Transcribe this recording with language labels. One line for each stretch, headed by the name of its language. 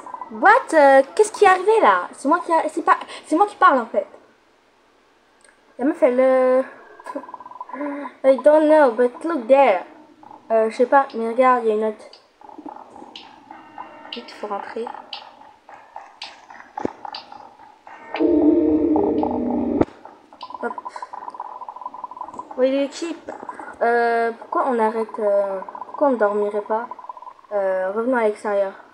French: What? Qu'est-ce qui est arrivé là? C'est moi qui parle en fait. La meuf elle...
English: I don't know, but look there.
French: Je sais pas, mais regarde, il y a une note. Vite, faut rentrer. Hop. Oui, l'équipe. Pourquoi on arrête pourquoi on ne dormirait pas revenons à l'extérieur.